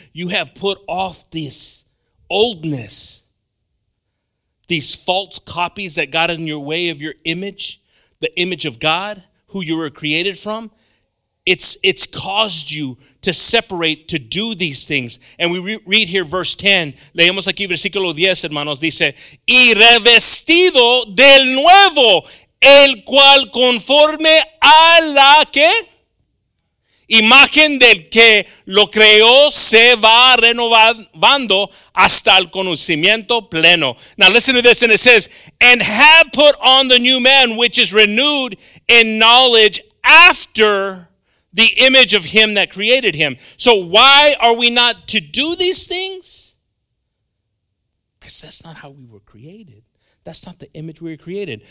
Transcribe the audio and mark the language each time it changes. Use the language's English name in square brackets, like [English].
[English] You have put off this oldness. These false copies that got in your way of your image, the image of God, who you were created from, it's caused you to separate, to do these things. And we read here verse 10. [Spanish] Leemos aquí versículo 10, hermanos. Dice, y revestido del nuevo, el cual conforme a la que imagen del que lo creó se va renovando hasta el conocimiento pleno. [English] Now listen to this, and it says, and have put on the new man, which is renewed in knowledge after the image of him that created him. So why are we not to do these things? Because that's not how we were created. That's not the image we were created.